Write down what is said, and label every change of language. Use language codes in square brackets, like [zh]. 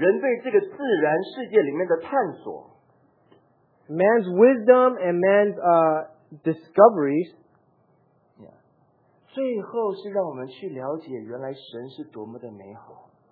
[zh] 人的智慧，人的经验，人对这个自然世界里面的探索。 [en] Man's wisdom and man's discoveries. Yeah. [zh] 最后是让我们去了解，原来神是多么的美好。